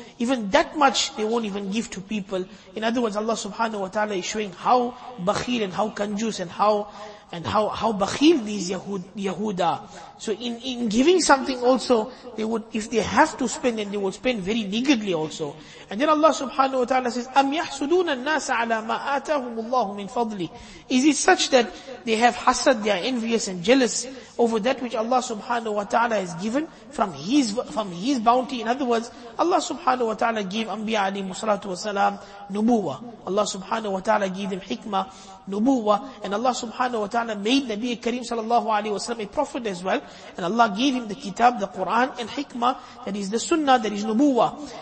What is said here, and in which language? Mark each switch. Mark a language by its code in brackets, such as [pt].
[en] Even that much they won't even give to people. In other words, Allah subhanahu wa ta'ala is showing how bakhil and how kanjus and how bakhil these Yahud are. So in giving something also, they would, if they have to spend, then they would spend very niggardly also. And then Allah subhanahu wa ta'ala says, [ar] أَمْ يَحْسُدُونَ النَّاسَ عَلَى مَا آتَاهُمُ اللَّهُ مِنْ فَضْلِ. [en] Is it such that they have hasad, they are envious and jealous over that which Allah subhanahu wa ta'ala has given from his bounty? In other words, Allah subhanahu wa ta'ala gave Anbiya alayhi salatu wa salam nubuwa. Allah subhanahu wa ta'ala gave them hikmah, nubuwa, and Allah subhanahu wa ta'ala made Nabi Kareem sallallahu alayhi wa sallam a prophet as well, and Allah gave him the kitab, the Quran, and hikmah, that is the sunnah, that is nubuwa.